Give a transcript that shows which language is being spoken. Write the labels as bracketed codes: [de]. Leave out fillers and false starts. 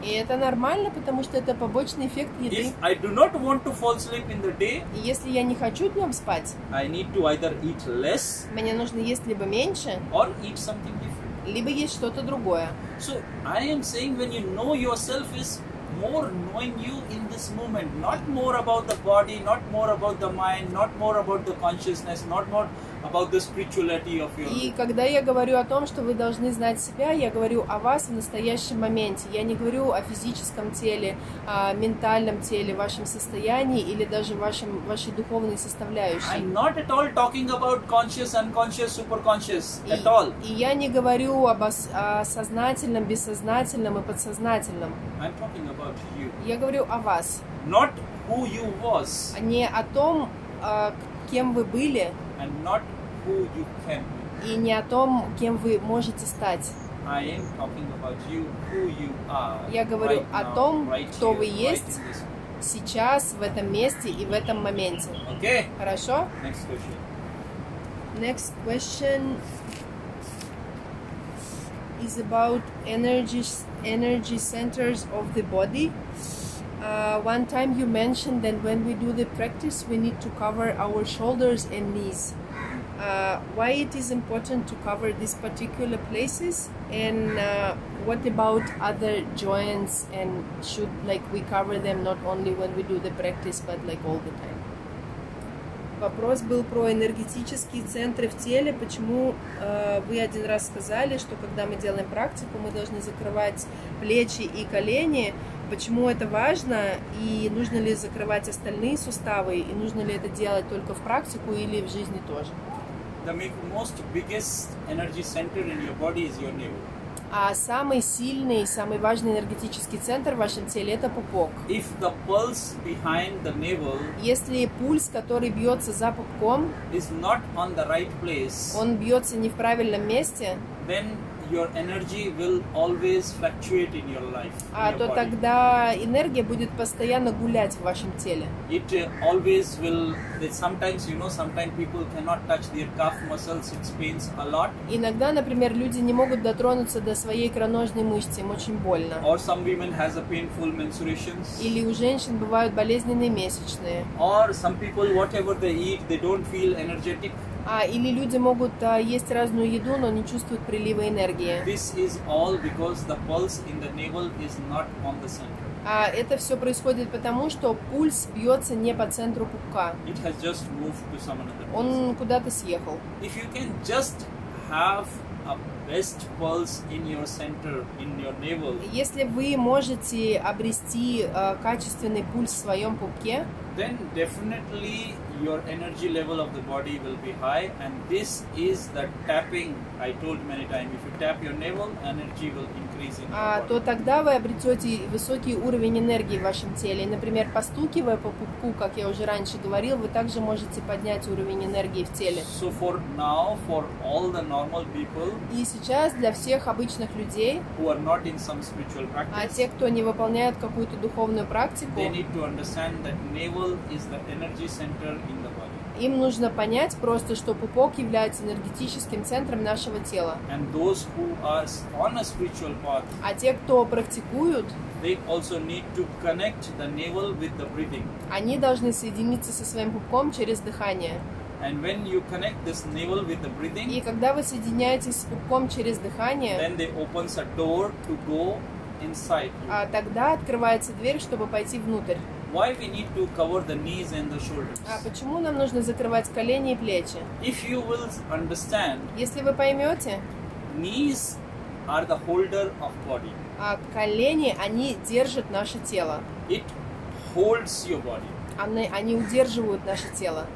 [ru] И это нормально, потому что это побочный эффект еды. [en] If I do not want to fall asleep in the day, [ru] если я не хочу днем спать, [en] I need to either eat less, [ru] мне нужно есть либо меньше, [en] or eat something different, [ru] либо есть что-то другое. [en] So I am saying when you know yourself is more knowing you in this moment, not more about the body, not more about the mind, not more about the consciousness, not more about the spirituality of your. [ru] И когда я говорю о том, что вы должны знать себя, я говорю о вас в настоящем моменте. Я не говорю о физическом теле, о ментальном теле, вашем состоянии или даже вашей духовной составляющей. [en] I'm not at all talking about conscious, unconscious, superconscious at all. [ru] И я не говорю об осознательном, бессознательном и подсознательном. [en] I'm talking about you. [ru] Я говорю о вас. [en] Not who you was. [ru] Не о том, кем вы были. [en] And not who you can. [ru] И не о том, кем вы можете стать. [en] I am talking about you, who you are. [ru] Я говорю [en] right [ru] о том, [en] now, [ru] кто [en] here, [ru] вы есть [en] right [ru] сейчас, в этом месте и в этом моменте. [en] Okay. [ru] Хорошо? [en] Next question. Next question is about energy centers of the body. One time you mentioned that when we do the practice, we need to cover our shoulders and knees. Why it is important to cover these particular places? And what about other joints? And should like we cover them not only when we do the practice, but like all the time? [ru] Вопрос был про энергетические центры в теле. Почему вы один раз сказали, что когда мы делаем практику, мы должны закрывать плечи и колени? Почему это важно, и нужно ли закрывать остальные суставы, и нужно ли это делать только в практику или в жизни тоже? [en] The most biggest energy center in your body is your navel. [ru] А самый сильный, самый важный энергетический центр в вашем теле – это пупок. [en] If the pulse behind the navel, [ru] если пульс, который бьется за пупком, [en] is not on the right place, [ru] он бьется не в правильном месте, [en] then your energy will always fluctuate in your life. [ru] А то тогда энергия будет постоянно гулять в вашем теле. [en] It always will. That sometimes, you know, sometimes people cannot touch their calf muscles. It pains a lot. [ru] Иногда, например, люди не могут дотронуться до своей икроножной мышцы, им очень больно. [en] Or some women has a painful menstruations. [ru] Или у женщин бывают болезненные месячные. [en] Or some people, whatever they eat, they don't feel energetic. [ru] А, или люди могут есть разную еду, но не чувствуют прилива энергии. [en] This is all because the pulse in the navel is not on the center. [ru] А это все происходит потому, что пульс бьется не по центру пупка. [en] It has just moved to some other place. [ru] Он куда-то съехал. [en] If you can just have a best pulse in your center, in your navel. [ru] Если вы можете обрести качественный пульс в своем пупке, [en] then definitely your energy level of the body will be high, and this is the tapping I told many times. If you tap your navel, energy will increase in your body. [ru] То тогда вы обретете высокий уровень энергии в вашем теле. Например, постукивая по пупку, как я уже раньше говорил, вы также можете поднять уровень энергии в теле. [en] So for now, for all the normal people. [ru] И сейчас для всех обычных людей. [en] Who are not in some spiritual practice. [ru] А те, кто не выполняют какую-то духовную практику. [en] They need to understand that navel is the energy center in the body. [ru] Им нужно понять просто, что пупок является энергетическим центром нашего тела. [en] And those who are on a spiritual path. [ru] А те, кто практикуют. [en] They also need to connect the navel with the breathing. [ru] Они должны соединиться со своим пупком через дыхание. [en] And when you connect this navel with the breathing. [ru] И когда вы соединяетесь с пупком через дыхание. [en] Then they opens a door to go inside. [ru] А тогда открывается дверь, чтобы пойти внутрь. [en] Why we need to cover the knees and the shoulders? [ru] А почему нам нужно закрывать колени и плечи? [en] If you will understand. [ru] Если вы поймете. [en] Knees are the holder of body. [ru] А колени, они держат наше тело. [en] It holds your body. [ru] Они удерживают наше тело.